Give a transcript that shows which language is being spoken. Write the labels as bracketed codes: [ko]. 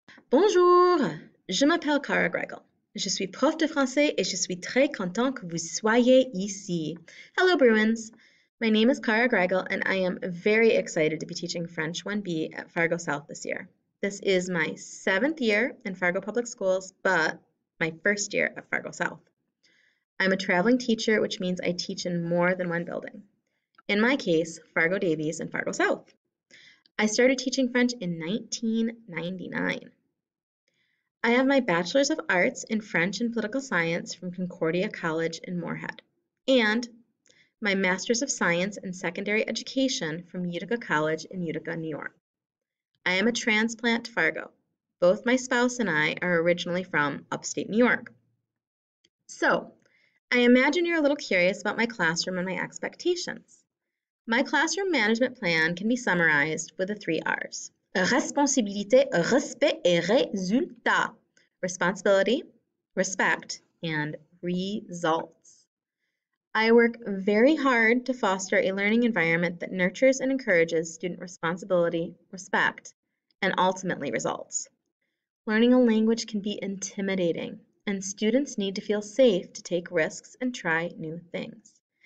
[fr] Bonjour, je m'appelle Cara Grygiel. Je suis prof de français et je suis très content que vous soyez ici. [en] Hello, Bruins. My name is Cara Grygiel and I am very excited to be teaching French 1B at Fargo South this year. This is my seventh year in Fargo Public Schools, but my first year at Fargo South. I'm a traveling teacher, which means I teach in more than one building. In my case, Fargo Davies and Fargo South. I started teaching French in 1999. I have my Bachelor's of Arts in French and Political Science from Concordia College in Moorhead, and my Master's of Science in Secondary Education from Utica College in Utica, New York. I am a transplant to Fargo. Both my spouse and I are originally from upstate New York. So, I imagine you're a little curious about my classroom and my expectations. My classroom management plan can be summarized with the three R's. [fr] Responsibilité, respect et résultat. [en] Responsibility, respect, and results. I work very hard to foster a learning environment that nurtures and encourages student responsibility, respect, and ultimately results. Learning a language can be intimidating, and students need to feel safe to take risks and try new things.